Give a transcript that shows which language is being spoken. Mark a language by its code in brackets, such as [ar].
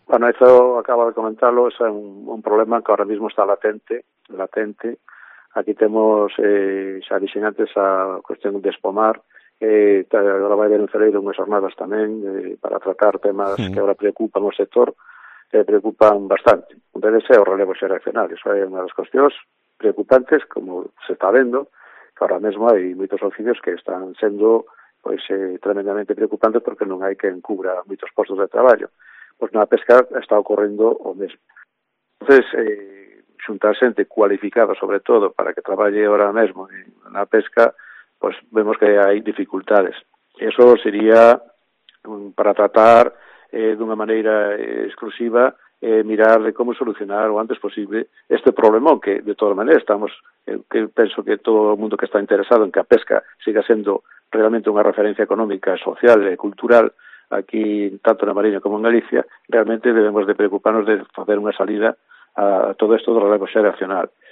[es] Bueno, eso acaba de comentarlo, es un problema que ahora mismo está latente. [gl] Aquí temos, xa dixen antes, a cuestión de espomar, agora vai haber un celeiro, unhas jornadas tamén, para tratar temas que ahora preocupan o sector, preocupan bastante. Un deles é o relevo xeracional, iso é unha das cuestións preocupantes, como se está vendo, que ahora mesmo hai moitos oficios que están sendo pois, tremendamente preocupantes porque non hai que encubra moitos postos de traballo. Pois na pesca está ocorrendo o mesmo. Entón, xuntar xente cualificada, sobre todo, para que traballe ahora mesmo na pesca, [es] pues vemos que hay dificultades. Eso sería para tratar de una manera exclusiva, mirar de cómo solucionar lo antes posible este problema, que de todas maneras estamos, que pienso que todo el mundo que está interesado en que la pesca siga siendo realmente una referencia económica, social, cultural, aquí tanto en la Marina como en Galicia, realmente debemos de preocuparnos de hacer una salida a todo esto del relevo generacional.